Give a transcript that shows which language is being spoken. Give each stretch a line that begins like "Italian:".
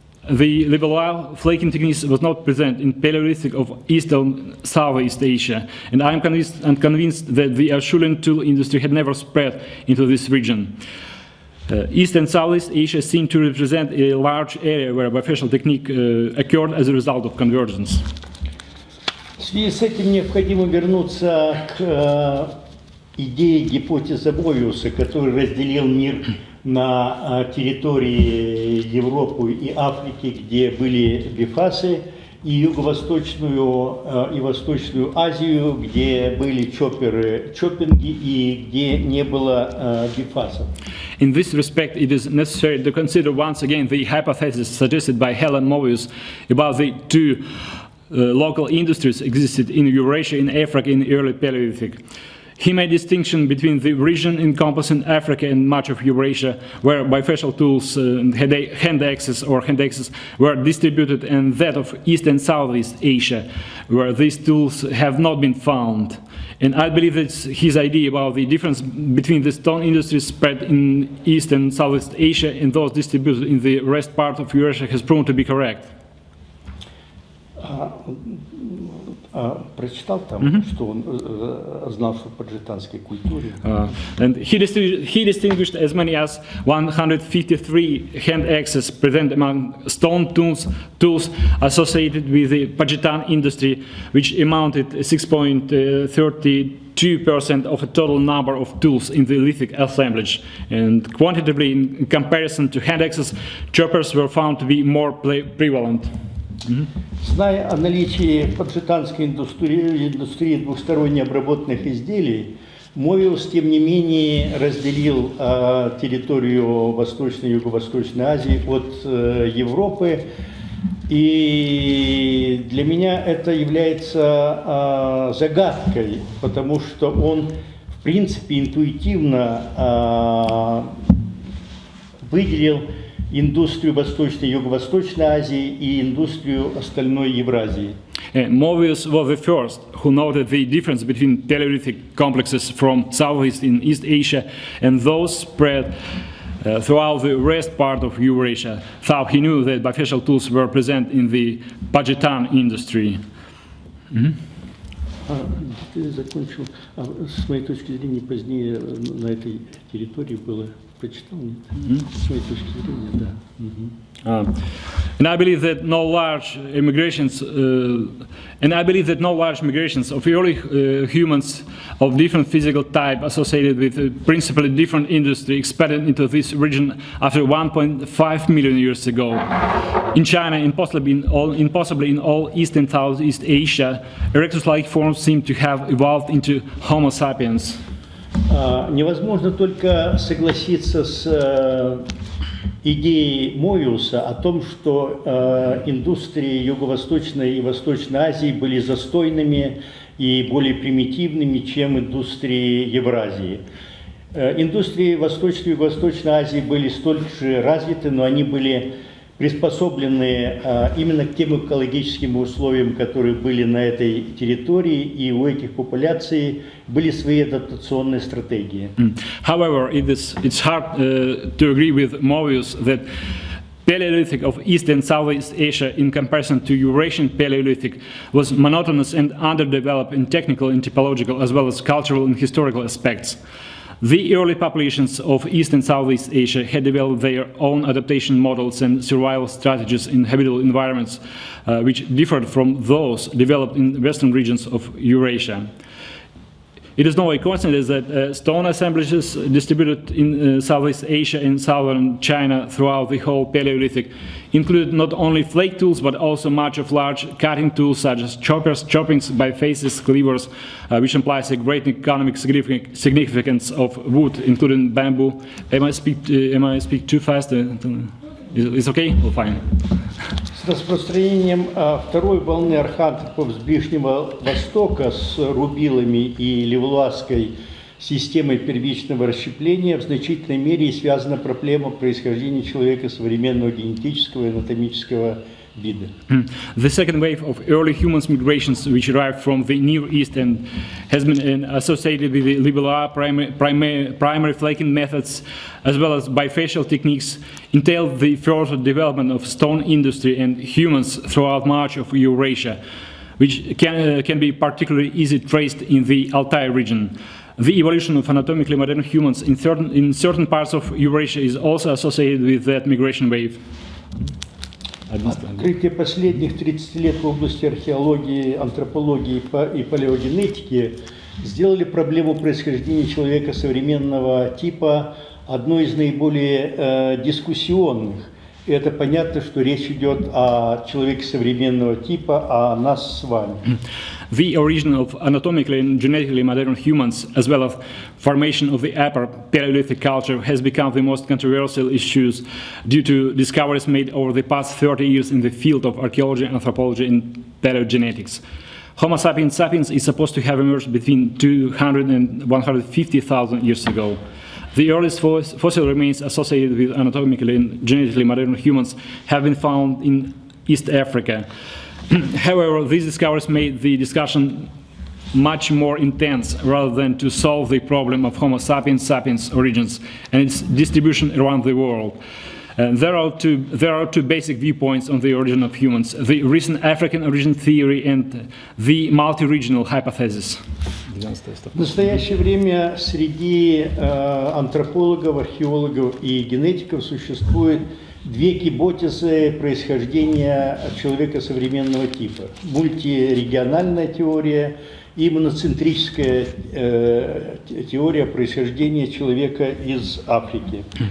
English: The Levallois flaking technique was not present in Paleolithic of Eastern Southeast Asia, and I am convinced that the Acheulean tool industry had never spread into this region. East and Southeast Asia seem to represent a large area where bifacial technique occurred as a result of convergence.
Russian: В связи с этим необходимо вернуться к идее гипотезы Бовиуса, который разделил мир на территории Европы и Африки, где были бифасы, и Юго-Восточную и Восточную Азию, где были чопперы, чоппинги, и где не было бифасов.
English: In this respect, it is necessary to consider once again the hypothesis suggested by Helen Movius about the two local industries existed in Eurasia and Africa in early Paleolithic. He made distinction between the region encompassing Africa and much of Eurasia, where bifacial tools, hand axes, were distributed, and that of East and Southeast Asia, where these tools have not been found. And I believe that his idea about the difference between the stone industries spread in East and Southeast Asia and those distributed in the rest part of Eurasia has proven to be correct.
Russian: Прочитал там, mm-hmm. что он знал, что по джитанской культуре.
English: And he distinguished as many as 153 hand axes present among stone tools associated with the Pajitan industry, which amounted 6.32% of a total number of tools in the lithic assemblage. And quantitatively, in comparison to hand axes, choppers were found to be more prevalent. Mm-hmm.
Russian: Зная о наличии поджитанской индустрии двухсторонне обработанных изделий, Мовиус, тем не менее, разделил территорию Восточной и Юго-Восточной Азии от Европы. И для меня это является загадкой, потому что он, в принципе, интуитивно выделил индустрию Восточной и Юго-Восточной Азии и индустрию остальной Евразии.
English: Movius was the first who noted the difference between Paleolithic complexes from Southeast and East Asia and those spread throughout the rest part of Eurasia. Though he knew that bifacial tools were present in the Pajitan industry. Mm-hmm.
Russian: Закончил. С моей точки зрения, позднее на этой территории было прочитал, нет? Mm-hmm. С своей точки зрения, да.
English: And I believe that no large immigrations, of early humans of different physical type associated with principally different industry expanded into this region after 1.5 million years ago. In China and possibly in all East and Southeast Asia, erectus-like forms seem to have evolved into Homo sapiens.
Russian: Невозможно только согласиться с идеей Мойуса о том, что индустрии Юго-Восточной и Восточной Азии были застойными и более примитивными, чем индустрии Евразии. Индустрии Восточной и Юго-Восточной Азии были столь же развиты, но они были приспособлены именно к тем экологическим условиям, которые были на этой территории, и у этих популяций были свои адаптационные стратегии.
English: However, it's hard to agree with Movius that Palaeolithic of East and Southeast Asia in comparison to Eurasian Palaeolithic was monotonous and underdeveloped in technical and typological as well as cultural and historical aspects. The early populations of East and Southeast Asia had developed their own adaptation models and survival strategies in habitable environments, which differed from those developed in Western regions of Eurasia. It is no coincidence that stone assemblages distributed in Southeast Asia and Southern China throughout the whole Paleolithic included not only flake tools, but also much of large cutting tools such as choppers, choppings, bifaces, cleavers, which implies a great economic significance of wood, including bamboo. Am I speak too fast? It's okay? Well, fine.
Russian: С распространением второй волны архантропов с Ближнего Востока с рубилами и левуазской системой первичного расщепления в значительной мере связана проблема происхождения человека современного генетического и анатомического вида.
English: The second wave of early humans migrations, which arrived from the Near East and has been associated with the libellar primary flaking methods, as well as bifacial techniques, entailed the further development of stone industry and humans throughout much of Eurasia, which can be particularly easily traced in the Altai region. The evolution of anatomically modern humans in certain parts of Eurasia is also associated with that migration wave.
Russian: Открытие последних 30 лет в области археологии, антропологии и палеогенетики сделали проблему происхождения человека современного типа одной из наиболее дискуссионных. И это понятно, что речь идет о человеке современного типа, о нас с вами.
English: The origin of anatomically and genetically modern humans, as well as formation of the upper Paleolithic culture, has become the most controversial issues due to discoveries made over the past 30 years in the field of archaeology, anthropology, and paleogenetics. Homo sapiens sapiens is supposed to have emerged between 200 and 150,000 years ago. The earliest fossil remains associated with anatomically and genetically modern humans have been found in East Africa. However, these discoveries made the discussion much more intense rather than to solve the problem of Homo sapiens sapiens origins and its distribution around the world. There are two basic viewpoints on the origin of humans, the recent African origin theory and the multi-regional hypothesis.
Russian: В настоящее время среди антропологов, археологов и генетиков существует две гипотезы происхождения человека современного типа. Мультирегиональная теория и моноцентрическая теория происхождения человека из Африки.